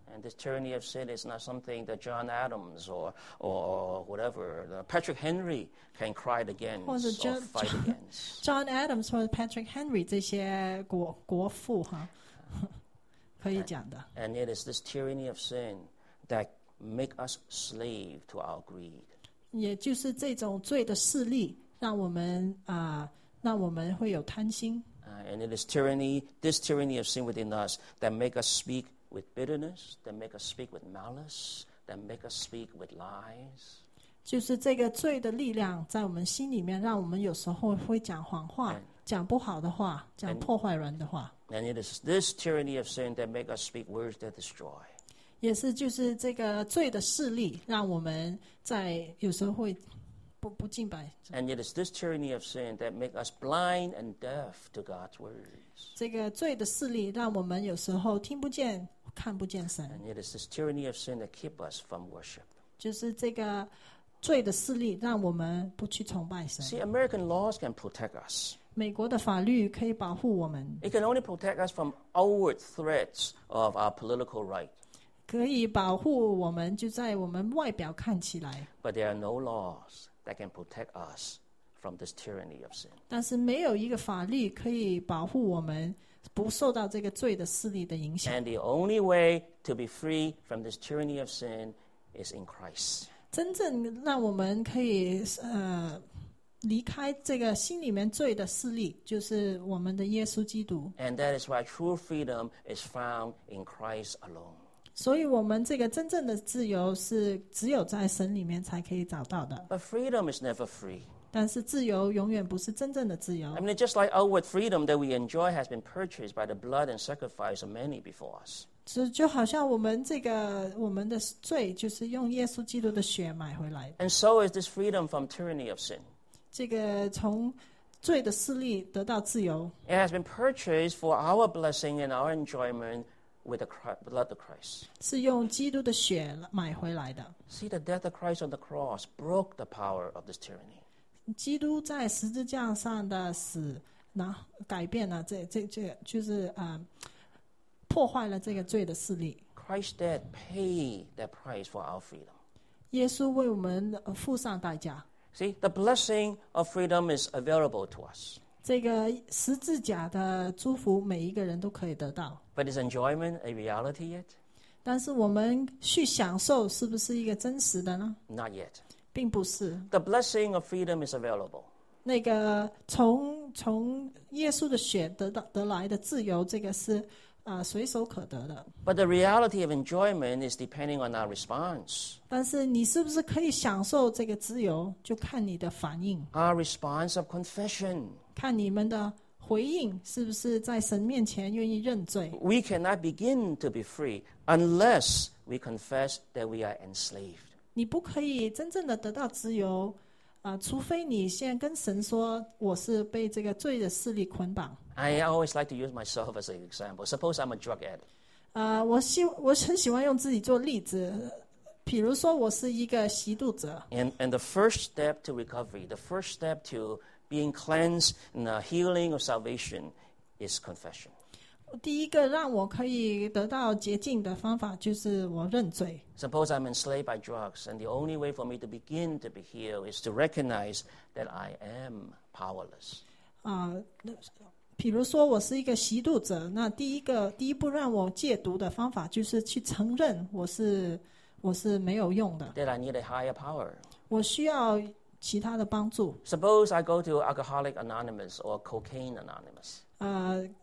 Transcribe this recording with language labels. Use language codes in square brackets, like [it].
[en] And this tyranny of sin is not something that John Adams or whatever Patrick Henry can cry against or fight against. [zh] John Adams or Patrick Henry 这些国父哈。可以讲的。 [en] And it is this tyranny of sin that make us slave to our greed. [zh] 也就是这种罪的势力让我们会有贪心。 [en] And it is this tyranny of sin within us that make us speak with bitterness, that make us speak with malice, that make us speak with lies. [zh] 就是这个罪的力量在我们心里面让我们有时候会讲谎话。讲不好的话，讲破坏人的话。 [en] And it is this tyranny of sin that makes us speak words that destroy. [zh] 也是就是这个罪的势力让我们在有时候会 不敬拜。 [en] And it is this tyranny of sin that makes us blind and deaf to God's words. [zh] 这个罪的势力让我们有时候听不见看不见神。 [en] And it is this tyranny of sin that keeps us from worship. [zh] 就是这个罪的势力让我们不去崇拜神。 [en] See, American laws can protect us. [zh] 美国的法律可以保护我们。 [en] It can only protect us from outward threats of our political right. [zh] 可以保护我们，就在我们外表看起来。 [en] But there are no laws that can protect us from this tyranny of sin. [zh] 但是没有一个法律可以保护我们不受到这个罪的势力的影响。 [en] And the only way to be free from this tyranny of sin is in Christ. [zh] 真正让我们可以离开这个心里面罪的势力，就是我们的耶稣基督。 [en] And that is why true freedom is found in Christ alone. [zh] 所以我们这个真正的自由是只有在神里面才可以找到的。 [en] But freedom is never free. [zh] 但是自由永远不是真正的自由。 [en] I mean, just like outward freedom that we enjoy has been purchased by the blood and sacrifice of many before us. [zh] 就好像我们这个我们的罪就是用耶稣基督的血买回来。 [en] And so is this freedom from tyranny of sin. [zh] 这个从罪的势力得到自由。 [en] It has been purchased for our blessing and our enjoyment with the blood of Christ. [zh] 是用基督的血买回来的。 [en] See, the death of Christ on the cross broke the power of this tyranny. [zh] 基督在十字架上的死，然后改变了这就是破坏了这个罪的势力。 [en] Christ did pay the price for our freedom. [zh] 耶稣为我们付上代价。 [en] See, the blessing of freedom is available to us. [zh] 这个十字架的祝福每一个人都可以得到。 [en] But is enjoyment a reality yet? [zh] 但是我们去享受是不是一个真实的呢？ [en] Not yet. [zh] 并不是。 [en] The blessing of freedom is available. [zh] 那个从耶稣的血得来的自由，这个是随手可得的。 [en] But the reality of enjoyment is depending on our response. [zh] 但是你是不是可以享受这个自由，就看你的反应。 [en] Our response of confession. [zh] 看你们的回应是不是在神面前愿意认罪。 [en] We cannot begin to be free unless we confess that we are enslaved. [zh] 你不可以真正的得到自由，除非你先跟神说，我是被这个罪的势力捆绑。 [en] I always like to use myself as an example. Suppose I'm a drug addict. [zh] 我很喜欢用自己做例子，比如说我是一个吸毒者。 [en] And the first step to recovery, the first step to being cleansed and the healing of salvation is confession. [zh] 第一个让我可以得到洁净的方法就是我认罪。 [en] Suppose I'm enslaved by drugs and the only way for me to begin to be healed is to recognize that I am powerless. [zh] 比如说我是一个吸毒者，那第一步让我戒毒的方法就是去承认我是没有用的。 [en] That I need a higher power. [zh] 我需要其他的帮助。 [en] Suppose I go to Alcoholic Anonymous or Cocaine Anonymous.